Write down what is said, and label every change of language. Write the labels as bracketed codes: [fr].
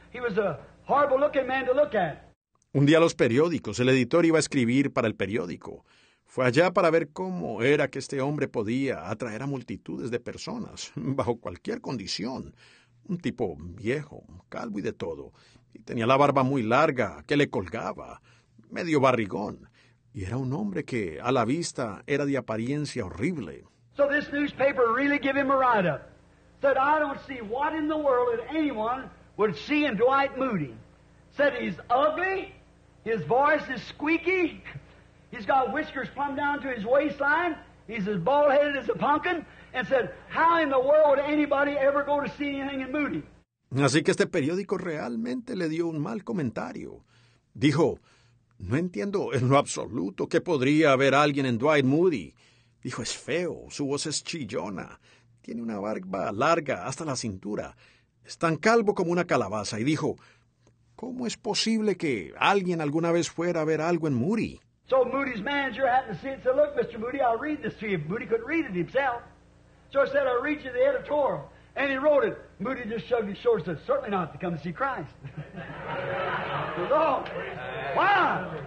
[en] He was a horrible-looking man to look at. [es] Un día los periódicos, el editor iba a escribir para el periódico. Fue allá para ver cómo era que este hombre podía atraer a multitudes de personas, bajo cualquier condición. Un tipo viejo, calvo y de todo. Y tenía la barba muy larga, que le colgaba, medio barrigón. Y era un hombre que, a la vista, era de apariencia horrible. [en] So this newspaper really gave him a write-up. Said, I don't see what in the world that anyone would see in Dwight Moody. Said he's ugly, his voice is squeaky, he's got whiskers plumb down to his waistline, he's as bald-headed as a pumpkin, and said, how in the world would anybody ever go to see anything in Moody? [es] Así que este periódico realmente le dio un mal comentario. Dijo, no entiendo en lo absoluto que podría haber alguien en Dwight Moody. Dijo, es feo, su voz es chillona, tiene una barba larga hasta la cintura, es tan calvo como una calabaza, y dijo... ¿Cómo es posible que alguien alguna vez fuera a ver algo en Moody? [en] So Moody's manager happened to see it and said, look, Mr. Moody, I'll read this to you. Moody couldn't read it himself. So I said, I'll read you the editorial. And he wrote it. Moody just shrugged his shoulders and said, certainly not to come to see Christ. So, why?